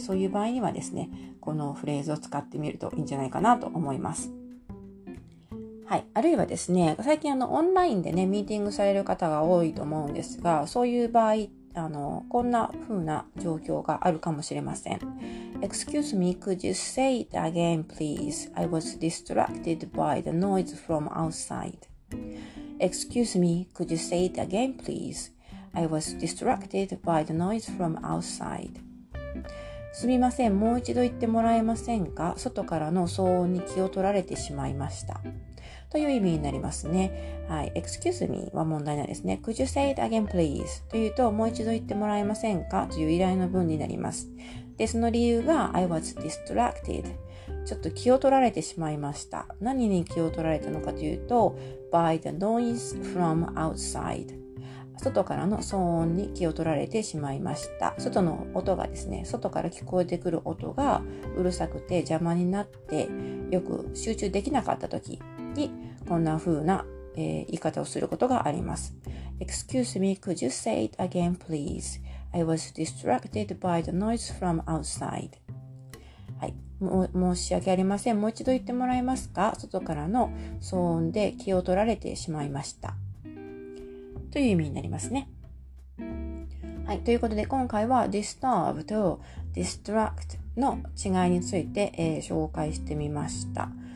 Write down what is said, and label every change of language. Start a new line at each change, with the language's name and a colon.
Japanese: そういう場合にはですね、このフレーズを使ってみるといいんじゃないかなと思います。はい。あるいはですね、最近オンラインでね、ミーティングされる方が多いと思うんですが、そういう場合、こんな風な状況があるかもしれません。
English: Excuse me, could you say it again, please? I was distracted by the noise from outside. Excuse me, could you say it again, please? I was distracted by the noise from outside.
Japanese: すみません、もう一度言ってもらえませんか？外からの騒音に気を取られてしまいました。という意味になりますね。
English: はい。excuse me
Japanese: は問題ないですね。
English: could you say it again, please?
Japanese: というと、もう一度言ってもらえませんかという依頼の文になります。
English: で、その理由が、I was distracted.
Japanese: ちょっと気を取られてしまいました。何に気を取られたのかというと、
English: by the noise from outside.
Japanese: 外からの騒音に気を取られてしまいました。外の音がですね、外から聞こえてくる音がうるさくて邪魔になって、よく集中できなかったとき、にこんな風な、言い方をすることがあります。
English: Excuse me, could you say it again, please? I was distracted by the noise from outside.
Japanese: はい、申し訳ありません。もう一度言ってもらえますか？外からの騒音で気を取られてしまいました。という意味になりますね。はい、ということで今回は disturb と distract の違いについて、紹介してみました。